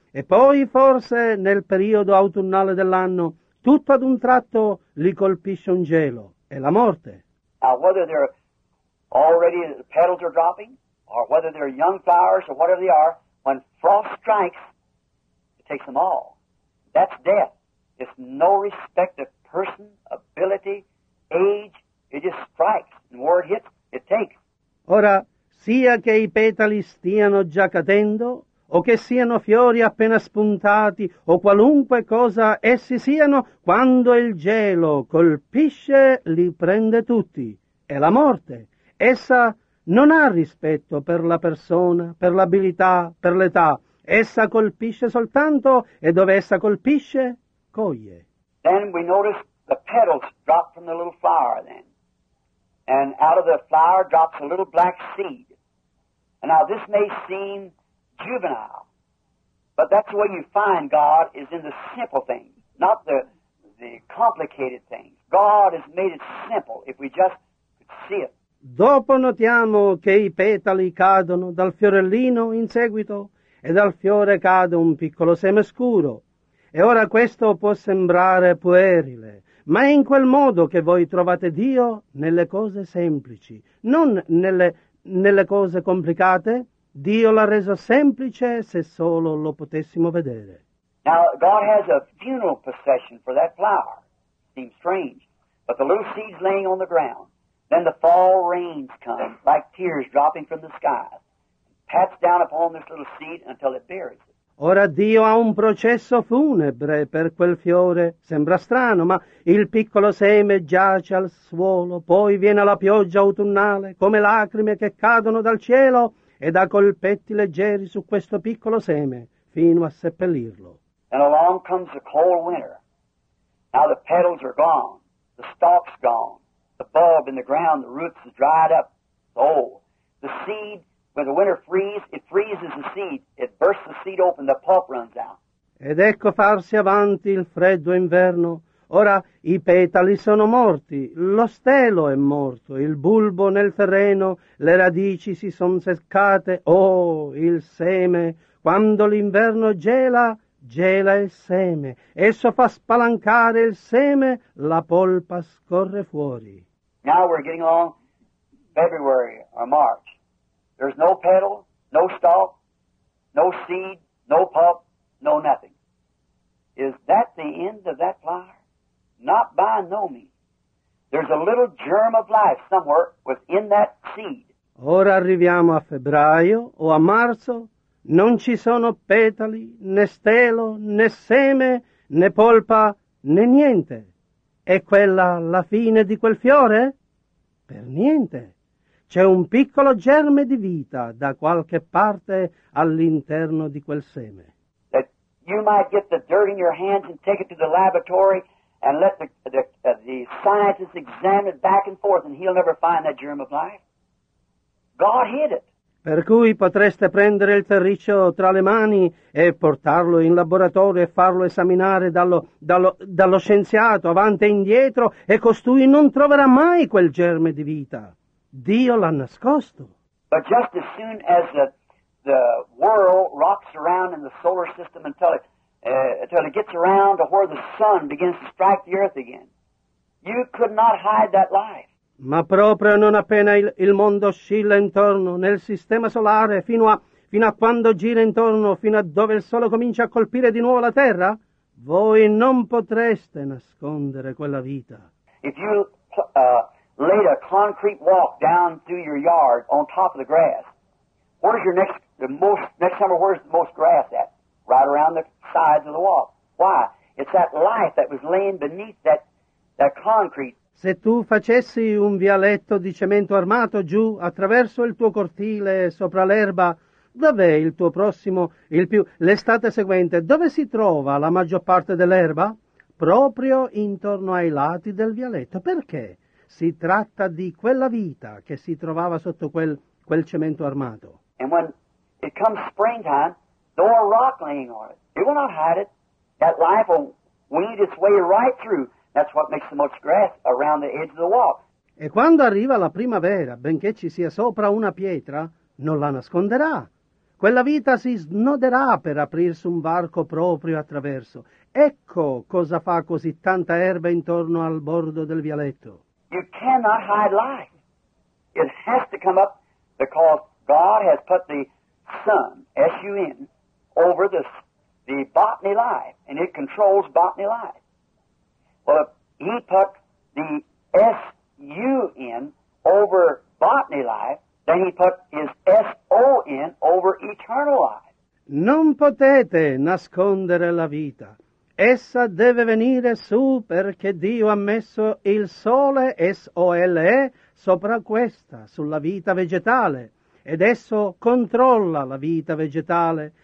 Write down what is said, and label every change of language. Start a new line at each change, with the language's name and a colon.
Italian: E poi, forse, nel periodo autunnale dell'anno, tutto ad un tratto li colpisce un gelo, è la morte.
English: Now, whether they're already the petals are dropping, or whether they're young flowers or whatever they are, when frost strikes, it takes them all. That's death. It's no respect of person, ability, age. It just strikes. And where it hits, it takes.
Italian: Ora, sia che i petali stiano già cadendo, o che siano fiori appena spuntati, o qualunque cosa essi siano, quando il gelo colpisce, li prende tutti. È la morte. Essa non ha rispetto per la persona, per l'abilità, per l'età. Essa colpisce soltanto, e dove essa colpisce, coglie.
English: Then we notice the petals drop from the little flower then. And out of the flower drops a little black seed. And now this may seem juvenile, but that's where you find God is in the simple things, not the complicated things. God has made it simple if we just see it.
Italian: Dopo notiamo che i petali cadono dal fiorellino in seguito e dal fiore cade un piccolo seme scuro. E ora questo può sembrare puerile, ma è in quel modo che voi trovate Dio nelle cose semplici, non nelle cose complicate. Dio l'ha reso semplice se solo lo potessimo vedere.
English: Now, God has a funeral procession for that flower. Seems strange, but the little seed's laying on the ground. Then the fall rains come, like tears dropping from the sky, pats down upon this little seed until it buries it.
Italian: Ora Dio ha un processo funebre per quel fiore. Sembra strano, ma il piccolo seme giace al suolo, poi viene la pioggia autunnale, come lacrime che cadono dal cielo, e dà colpetti leggeri su questo piccolo seme, fino a seppellirlo.
English: And along comes the cold winter. Now the petals are gone, the stalk's gone. The bulb in the ground, the roots are dried up, it's old. The seed, when the winter freezes, it freezes the seed. It bursts the seed open, the pulp runs out.
Italian: Ed ecco farsi avanti il freddo inverno. Ora i petali sono morti, lo stelo è morto, il bulbo nel terreno, le radici si sono seccate. Oh, il seme, quando l'inverno gela, gela il seme, esso fa spalancare il seme, la polpa scorre fuori.
English: Now we're getting along February or March. There's no petal, no stalk, no seed, no pulp, no nothing. Is that the end of that flower? Not by no means. There's a little germ of life somewhere within that seed.
Italian: Ora arriviamo a febbraio o a marzo. Non ci sono petali, né stelo, né seme, né polpa, né niente. È quella la fine di quel fiore? Per niente. C'è un piccolo germe di vita da qualche parte all'interno di quel seme.
English: That you might get the dirt in your hands and take it to the laboratory and let the scientists examine it back and forth and he'll never find that germ of life. God hid it.
Italian: Per cui potreste prendere il terriccio tra le mani e portarlo in laboratorio e farlo esaminare dallo scienziato avanti e indietro e costui non troverà mai quel germe di vita. Dio l'ha nascosto.
English: But just as soon as the world rocks around in the solar system until it gets around to where the sun begins to strike the earth again, you could not hide that life.
Italian: Ma proprio non appena il mondo oscilla intorno nel sistema solare fino a quando gira intorno, fino a dove il sole comincia a colpire di nuovo la terra, voi non potreste nascondere quella vita.
English: If you laid a concrete walk down through your yard on top of the grass, where's your next summer, where's the most grass at? Right around the sides of the walk. Why? It's that life that was laying beneath that concrete.
Italian: Se tu facessi un vialetto di cemento armato giù attraverso il tuo cortile sopra l'erba, dov'è il tuo prossimo, l'estate seguente, dove si trova la maggior parte dell'erba? Proprio intorno ai lati del vialetto. Perché? Si tratta di quella vita che si trovava sotto quel cemento armato.
English: And when it comes springtime, though a rock laying on it, it will not hide it. That life will weed its way right through. That's what makes the most grass around the edge of the wall.
Italian: E quando arriva la primavera, benché ci sia sopra una pietra, non la nasconderà. Quella vita si snoderà per aprirsi un varco proprio attraverso. Ecco cosa fa così tanta erba intorno al bordo del vialetto.
English: You cannot hide life. It has to come up because God has put the sun, S-U-N, over the botany life, and it controls botany life. Well, if he put the S-U-N over botany life, then he put his S-O-N over eternal life.
Italian: Non potete nascondere la vita. Essa deve venire su perché Dio ha messo il sole, S-O-L-E, sopra questa, sulla vita vegetale, ed esso controlla la vita vegetale.